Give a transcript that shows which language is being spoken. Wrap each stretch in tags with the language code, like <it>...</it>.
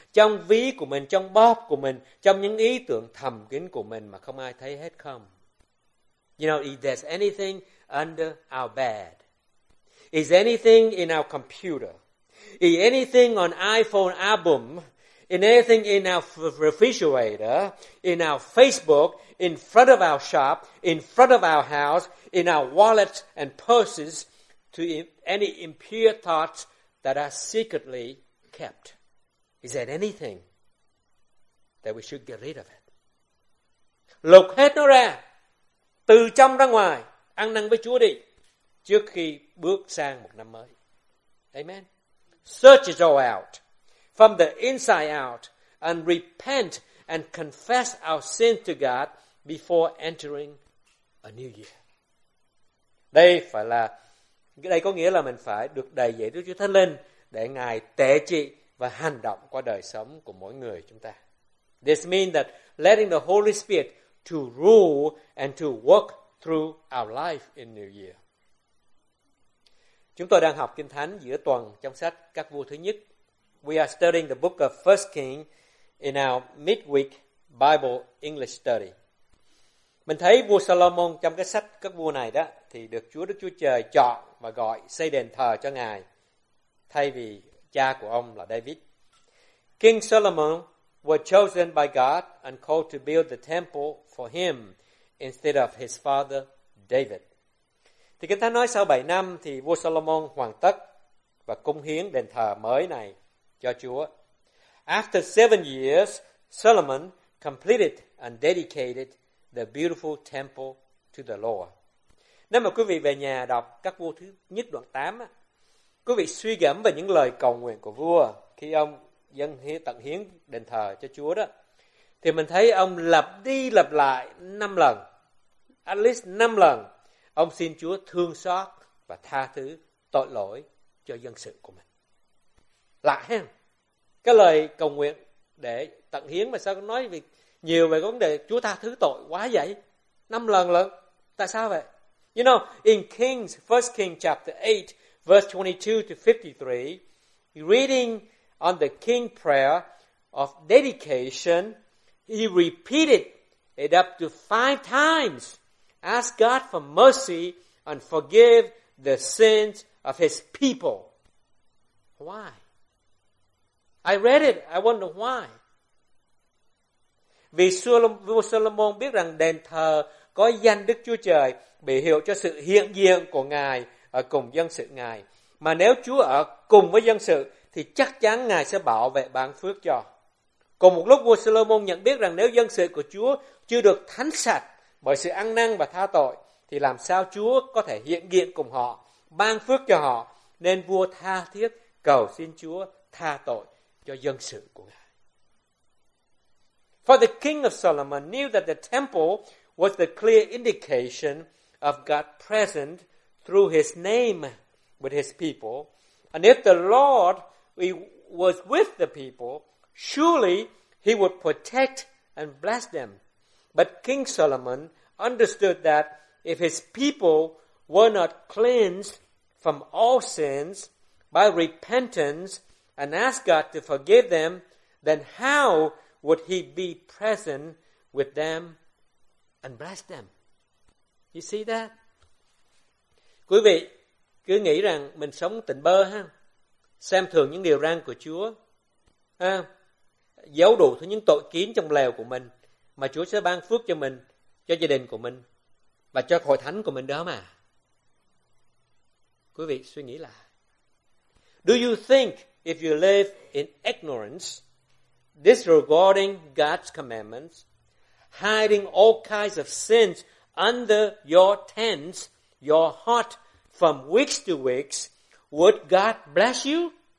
<vi>Trong ví của mình, trong bóp của mình, trong những ý tưởng thầm kín của mình mà không ai thấy hết không?</vi> <en>You know, if there's anything under our bed, is anything in our computer, is anything on iPhone album, in anything in our refrigerator, in our Facebook, in front of our shop, in front of our house, in our wallets and purses, to any impure thoughts that are secretly kept. Is there anything that we should get rid of it?</en> <vi>Lục hết nó ra, từ trong ra ngoài, ăn năn với Chúa đi, trước khi bước sang một năm mới. Amen.</vi> <en>Search it all out, from the inside out, and repent and confess our sin to God before entering a new year.</en> <vi>Đây phải là, đây có nghĩa là mình phải được đầy dạy Đức Chúa Thánh Linh để Ngài tế trị và hành động qua đời sống của mỗi người chúng ta.</vi> <en>This means that letting the Holy Spirit to rule and to work through our life in new year.</en> <vi>Chúng tôi đang học Kinh Thánh giữa tuần trong sách Các Vua Thứ Nhất.</vi> <en>We are studying the book of 1 Kings in our midweek Bible English study.</en> <vi>Mình thấy vua Solomon trong cái sách Các Vua này đó thì được Chúa Đức Chúa Trời chọn và gọi xây đền thờ cho Ngài thay vì cha của ông là David.</vi> <en>King Solomon was chosen by God and called to build the temple for him instead of his father David.</en> <vi>Thì Kinh Thánh nói sau 7 năm thì vua Solomon hoàn tất và cung hiến đền thờ mới này cho Chúa.</vi> <en>After 7 years, Solomon completed and dedicated the beautiful temple to the Lord.</en> <vi>Nếu mà quý vị về nhà đọc Các Vua Thứ Nhất đoạn 8, quý vị suy gẫm về những lời cầu nguyện của vua khi ông dâng hiến tận hiến đền thờ cho Chúa đó, thì mình thấy ông lặp đi lặp lại 5 lần,</vi> <en>at least</en> <vi>5 lần, ông xin Chúa thương xót và tha thứ tội lỗi cho dân sự của mình. Lạ ha? Cái lời cầu nguyện để tận hiến mà sao nói việc nhiều về vấn đề Chúa tha thứ tội quá vậy? 5 lần lận. Tại sao vậy?</vi> <en>You know, in Kings, 1 Kings chapter 8, verse 22 to 53, reading on the king prayer of dedication, he repeated it up to 5 times. Ask God for mercy and forgive the sins of his people. Why? I read it. I wonder why.</en> <vi>Vì vua Solomon biết rằng đền thờ có danh Đức Chúa Trời biểu hiệu cho sự hiện diện của Ngài ở cùng dân sự Ngài. Mà nếu Chúa ở cùng với dân sự thì chắc chắn Ngài sẽ bảo vệ ban phước cho. Cùng một lúc vua Solomon nhận biết rằng nếu dân sự của Chúa chưa được thánh sạch bởi sự ăn năn và tha tội thì làm sao Chúa có thể hiện diện cùng họ, ban phước cho họ, nên vua tha thiết cầu xin Chúa tha tội cho dân sự của Ngài.</vi> <en>For the king of Solomon knew that the temple was the clear indication of God present through his name with his people. And if the Lord was with the people, surely he would protect and bless them. But King Solomon understood that if his people were not cleansed from all sins by repentance and ask God to forgive them, then how would he be present with them and bless them? You see that?</en> <vi>Quý vị cứ nghĩ rằng mình sống tỉnh bơ ha, xem thường những điều răn của Chúa, ha, giấu đủ những tội kín trong lều của mình, mà Chúa sẽ ban phước cho mình, cho gia đình của mình và cho hội thánh của mình đó mà. Quý vị suy nghĩ lại.</vi> <en>Do you think if you live in ignorance, disregarding God's commandments, hiding all kinds of sins under your tents, your heart from weeks to weeks, would God bless you?</en>